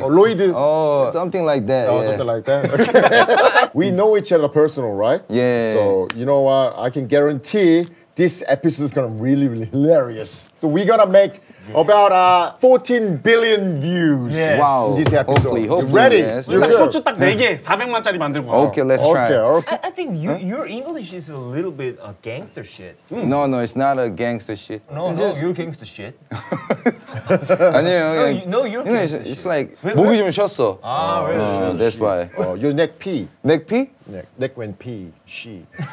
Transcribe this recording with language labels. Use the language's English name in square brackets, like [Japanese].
[Korean] 어, 로이드? [English] 어, something like that. Oh, yeah. Something like that. We know each other personal, right? Yeah. So, you know what? I can guarantee this episode is going to be really, really hilarious. So, we're going to make about 14 billion views. Yes. Wow. This episode. Hopefully, hopefully. Ready? Yes. [Korean] 딱 쇼츠 딱 네 개, 400만짜리 만들 거야. [English] Okay, let's try. Okay. I think you, huh? Your English is a little bit a gangster shit. No, no, it's not a gangster shit. No, it's no, just... you're gangster shit. [Korean] 아니에요. [English] No, No, you're gangster shit. It's like [Korean] 목이 좀 쉬었어. [English] Ah, very no, sure. That's shit. Why. Your neck pee. Neck pee? Neck went pee. She.